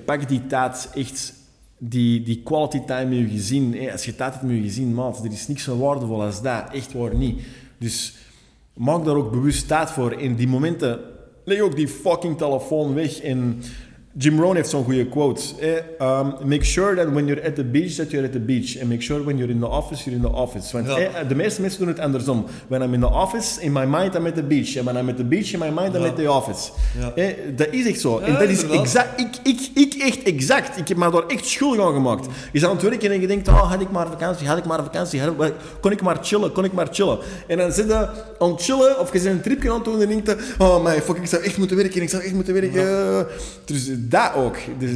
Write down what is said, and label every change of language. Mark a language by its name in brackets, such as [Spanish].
[Dutch] Pak die tijd echt, die quality time met je gezin. Hey, als je tijd hebt met je gezin, maat, er is niks zo waardevol als dat. Echt waar niet. Dus maak daar ook bewust tijd voor. In die momenten, leg ook die fucking telefoon weg en... Jim Rohn heeft zo'n goede quote. [English] Make sure that when you're at the beach, that you're at the beach. And make sure when you're in the office, you're in the office. [Dutch] Want de meeste mensen doen het andersom. [English] When I'm in the office, in my mind, I'm at the beach. And when I'm at the beach, in my mind, I'm at the office. [Dutch] Dat is echt zo. En dat is exact. Ik echt exact. Ik heb me daar echt schuldig aan gemaakt. Je zat aan het werken en je denkt, had ik maar vakantie. Kon ik maar chillen. En dan zit je aan het chillen, of je zit een tripje aan het doen en denkt, ik zou echt moeten werken. Dus... Dat ook. Dus